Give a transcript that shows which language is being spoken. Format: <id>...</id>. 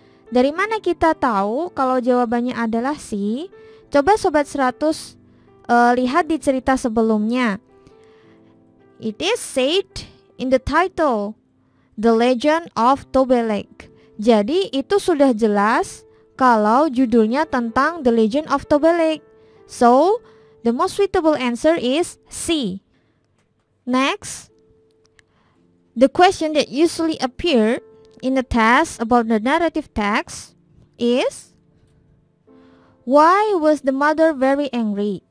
<id>Dari mana kita tahu kalau jawabannya adalah C? Coba Sobat 100 lihat di cerita sebelumnya.</id> <en>It is said in the title, The Legend of Tobelek.</en> <id>Jadi itu sudah jelas kalau judulnya tentang The Legend of Tobelek.</id> <en>So, the most suitable answer is C. Next, the question that usually appear in the test about the narrative text is why was the mother very angry?</en>